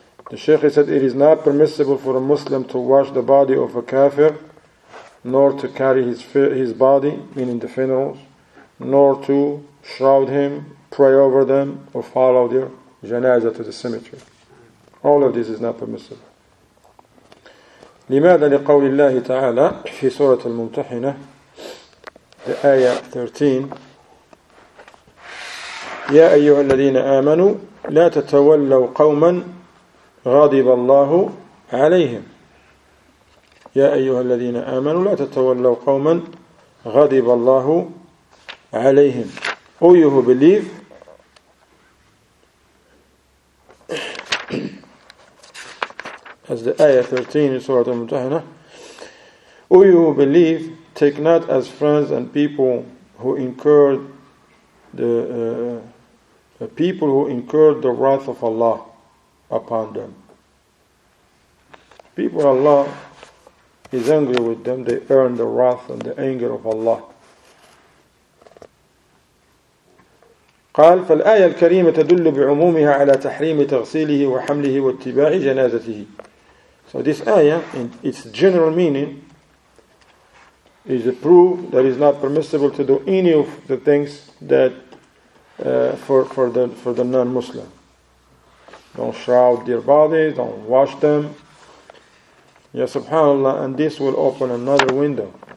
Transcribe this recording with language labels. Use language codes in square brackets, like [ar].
[en] The Shaykh said, it is not permissible for a Muslim to wash the body of a kafir, nor to carry his body, meaning the funerals, nor to shroud him, pray over them, or follow their janazah to the cemetery. All of this is not permissible. [ar] لماذا لقول الله تعالى في سورة الممتحنة [en] the ayah 13 [ar] يا أيها الذين آمنوا لا تتولوا قوما غضب الله عليهم يا أيها الذين آمنوا لا تتولوا قوما غضب الله عليهم. [en] Oh, you who believe, as the ayah 13 in Surah Al-Mumtahina, oh, you who believe, take not as friends and people who incurred the people who incurred the wrath of Allah upon them. People Allah is angry with them, they earn the wrath and the anger of Allah. [ar] قال فالآية الكريمة تدل بعمومها على تحريم تغسيله وحمله واتباع جنازته. [en] So this ayah, in its general meaning, is a proof that it is not permissible to do any of the things that for the non-Muslim. Don't shroud their bodies, don't wash them. Yeah, subhanAllah, and this will open another window.